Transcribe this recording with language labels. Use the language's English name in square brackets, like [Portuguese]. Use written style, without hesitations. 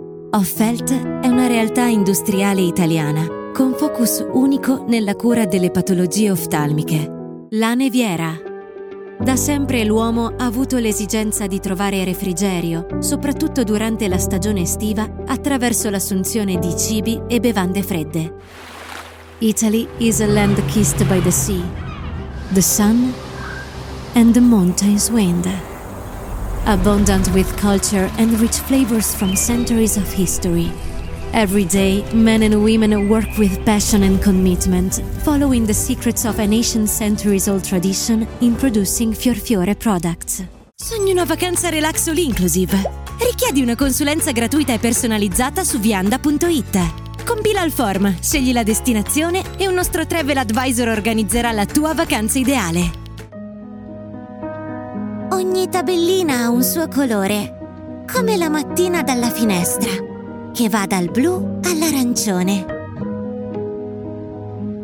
[Italian] Off Health è una realtà industriale italiana con focus unico nella cura delle patologie oftalmiche. La Neviera. Da sempre l'uomo ha avuto l'esigenza di trovare refrigerio, soprattutto durante la stagione estiva, attraverso l'assunzione di cibi e bevande fredde. [English] Italy is a land kissed by the sea, the sun and the mountains wind. Abundant with culture and rich flavors from centuries of history. Every day, men and women work with passion and commitment, following the secrets of an ancient centuries-old tradition in producing Fiorfiore products. [Italian] Sogni una vacanza relax all inclusive? Richiedi una consulenza gratuita e personalizzata su vianda.it. Compila il form, scegli la destinazione e un nostro travel advisor organizzerà la tua vacanza ideale. Ogni tabellina ha un suo colore, come la mattina dalla finestra, che va dal blu all'arancione.